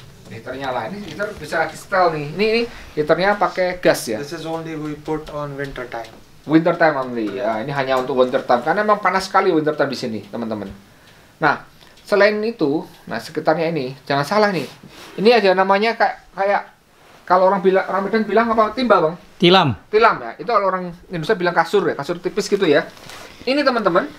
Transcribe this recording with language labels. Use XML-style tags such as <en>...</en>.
<id>Heaternya lah, ini heater bisa install nih. Ini heaternya pakai gas ya.</id> <en>This is only we put on winter time. Winter time only.</en> <id>Ya, ini hanya untuk winter time karena memang panas sekali winter time di sini, teman-teman. Nah, selain itu, nah sekitarnya ini jangan salah nih. Ini ada namanya kayak kalau orang bilang, orang Medan bilang apa? Timbal, Bang. Tilam ya. Itu kalau orang Indonesia bilang kasur ya, kasur tipis gitu ya. Ini teman-teman,</id>